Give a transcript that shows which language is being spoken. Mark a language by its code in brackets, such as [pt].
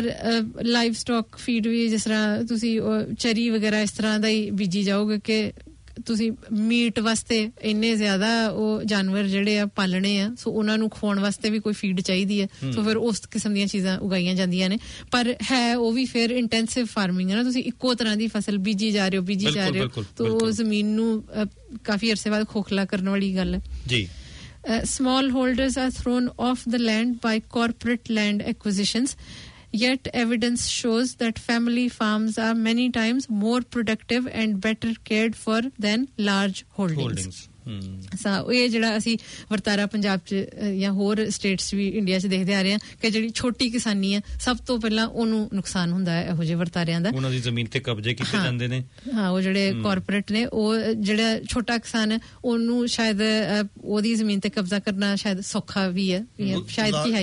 [pa] ਔਰ live stock feed ਵੀ ਜਿਸ ਤਰ੍ਹਾਂ ਤੁਸੀਂ ਚਰੀ ਵਗੈਰਾ ਇਸ ਤਰ੍ਹਾਂ ਦਾ ਹੀ ਬੀਜੀ ਜਾਓਗੇ ਕਿ ਤੁਸੀਂ ਮੀਟ ਵਾਸਤੇ ਇੰਨੇ ਜ਼ਿਆਦਾ ਉਹ ਜਾਨਵਰ ਜਿਹੜੇ ਆ ਪਾਲਣੇ ਆ ਸੋ ਉਹਨਾਂ ਨੂੰ ਖਵਾਉਣ ਵਾਸਤੇ ਵੀ ਕੋਈ ਫੀਡ ਚਾਹੀਦੀ ਹੈ ਸੋ ਫਿਰ ਉਸ ਕਿਸਮ ਦੀਆਂ ਚੀਜ਼ਾਂ ਉਗਾਈਆਂ ਜਾਂਦੀਆਂ ਨੇ ਪਰ ਹੈ ਉਹ ਵੀ ਫਿਰ ਇੰਟੈਂਸਿਵ ਫਾਰਮਿੰਗ ਹੈ ਨਾ ਤੁਸੀਂ ਇੱਕੋ ਤਰ੍ਹਾਂ ਦੀ ਫਸਲ ਬੀਜੀ ਜਾ ਰਹੇ ਹੋ ਬੀਜੀ ਜਾ ਰਹੇ ਹੋ ਤੋ ਉਹ ਜ਼ਮੀਨ ਨੂੰ ਕਾਫੀ ਅਰਸੇ ਬਾਅਦ ਖੋਖਲਾ ਕਰਨ ਵਾਲੀ ਗੱਲ ਹੈ [en] Small holders are thrown off the land by corporate land acquisitions Yet evidence shows that family farms are many times more productive and better cared for than large holdings. [pa] ਸੋ ਇਹ ਜਿਹੜਾ ਅਸੀਂ ਵਰਤਾਰਾ ਪੰਜਾਬ ਚ ਜਾਂ ਹੋਰ ਸਟੇਟਸ ਵੀ ਇੰਡੀਆ ਚ ਦੇਖਦੇ ਆ ਰਹੇ ਹਾਂ ਕਿ ਜਿਹੜੀ ਛੋਟੀ ਕਿਸਾਨੀ ਹੈ ਸਭ ਤੋਂ ਪਹਿਲਾਂ ਉਹਨੂੰ ਨੁਕਸਾਨ ਹੁੰਦਾ ਇਹੋ ਜਿਹੇ ਵਰਤਾਰਿਆਂ ਦਾ ਉਹਨਾਂ ਦੀ ਜ਼ਮੀਨ ਤੇ ਕਬਜ਼ੇ ਕੀਤੇ ਜਾਂਦੇ ਨੇ ਹਾਂ ਉਹ ਜਿਹੜੇ ਕਾਰਪੋਰੇਟ ਨੇ ਉਹ ਜਿਹੜਾ ਛੋਟਾ ਕਿਸਾਨ ਹੈ ਉਹਨੂੰ ਸ਼ਾਇਦ ਉਹਦੀ ਜ਼ਮੀਨ ਤੇ ਕਬਜ਼ਾ ਕਰਨਾ ਸ਼ਾਇਦ ਸੌਖਾ ਵੀ ਹੈ ਸ਼ਾਇਦ ਕੀ ਹੈ